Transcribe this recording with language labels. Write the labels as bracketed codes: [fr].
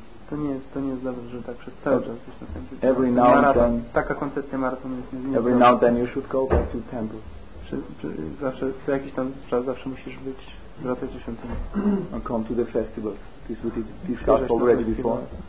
[pl] To nie jest dobrze, że tak przez cały czas jest na tym. [en] Every now and then. [pl] Taka koncepcja maratonu jest niezmienna. [en] Every now and then you should go back to temple. [pl] Zawsze co jakiś tam czas zawsze musisz być wracać do świątyni. [en] And come to the festival. This we discussed already before.